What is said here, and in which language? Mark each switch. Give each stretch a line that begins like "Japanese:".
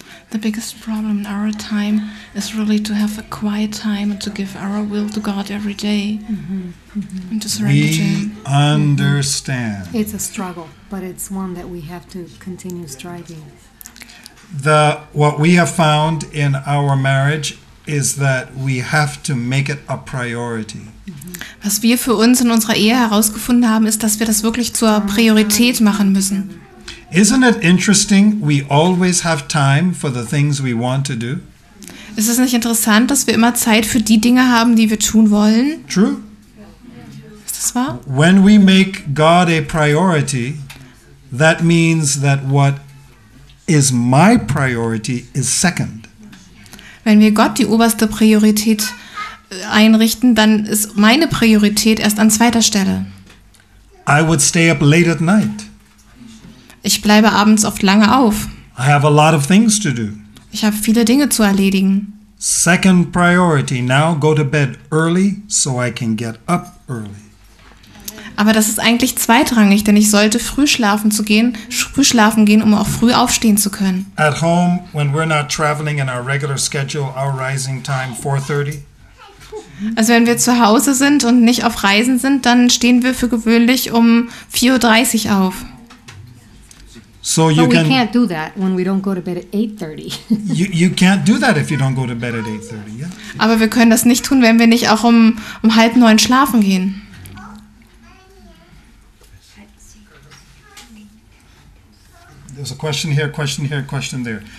English: The biggest problem in our time is really to have a quiet time and to give our will to God every day and to surrender to Him. We understand. Mm-hmm. It's a struggle, but it's one that we have to continue striving. What we have found in our marriage is that we have to make it a priority. Mm-hmm.
German: Was wir für uns in unserer Ehe herausgefunden haben, ist, dass wir das wirklich zur Priorität machen müssen.
English: Isn't it interesting we always have time for the things we want to do?
German: Ist es nicht interessant, dass wir immer Zeit für die Dinge haben, die wir tun wollen?
English: True.
German: Ist das wahr?
English: When we make God a priority, that means that what is my priority is second.
German: Wenn wir Gott die oberste Priorität einrichten, dann ist meine Priorität erst an zweiter Stelle.
English: I would stay up late at night.
German: Ich bleibe abends oft lange auf.
English: I have a lot of things to do.
German: Ich habe viele Dinge zu erledigen.
English: Second priority, now go to bed early so I can get up early.
German: Aber das ist eigentlich zweitrangig, denn ich sollte früh schlafen gehen, um auch früh aufstehen zu können.
English: At home, when we're not traveling in our regular schedule, our rising time 4:30.
German: Also wenn wir zu Hause sind und nicht auf Reisen sind, dann stehen wir für gewöhnlich um 4:30 Uhr auf.
English: So you but can, we can't do that when we don't go to bed at 8:30. You can't do that if you don't go to bed at 8:30, yeah?
German: Aber wir können das nicht tun, wenn wir nicht auch um 8:30 schlafen gehen.
English: There's a question here, question here, question there.